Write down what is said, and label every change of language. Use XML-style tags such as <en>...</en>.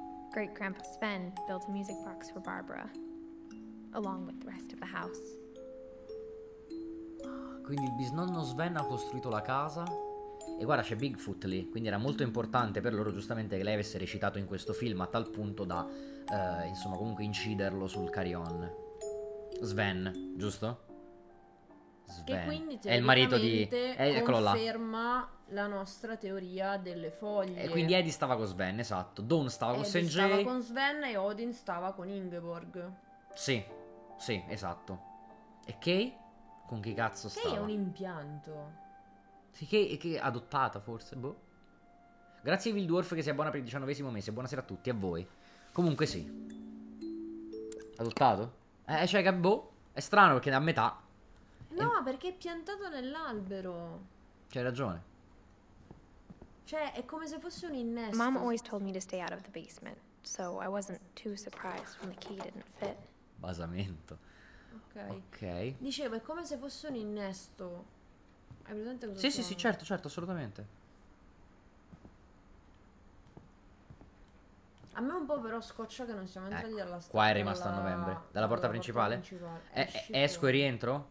<en>Great Grandpa Sven built a music box for Barbara, along with the rest of the house.</en> <it>Quindi il bisnonno Sven ha costruito la casa. E guarda, c'è Bigfoot lì. Quindi era molto importante per loro, giustamente, che lei avesse recitato in questo film, a tal punto da insomma, comunque inciderlo sul carion. Sven, giusto? Sven. Che quindi è il marito di... eccolo là. Conferma la nostra teoria delle foglie. E quindi Eddie stava con Sven, esatto. Dawn stava con Sven. Eddie stava con Sven e Odin stava con Ingeborg. Sì, sì, esatto. E Kay? Con che cazzo che stava? Che è un impianto. Sì, che adottata forse, boh. Grazie Evil Dwarf che sia buona per il 19° mese. Buonasera a tutti, a voi. Comunque sì. Adottato? Cioè, che boh. È strano perché è a metà. No, perché è piantato nell'albero. C'hai ragione. Cioè, è come se fosse un innesto.</it> <en>Mom always told me to stay out of the basement, so I wasn't too surprised when the key didn't fit.</en> <it>Basamento. Okay. Ok. Dicevo, è come se fosse un innesto. Hai presente cosa? Sì, sì, sì, certo, certo, assolutamente. A me un po' però scoccia che non siamo entrati dalla strada. Qua è rimasto a novembre. Dalla porta principale? Esco e rientro?</it>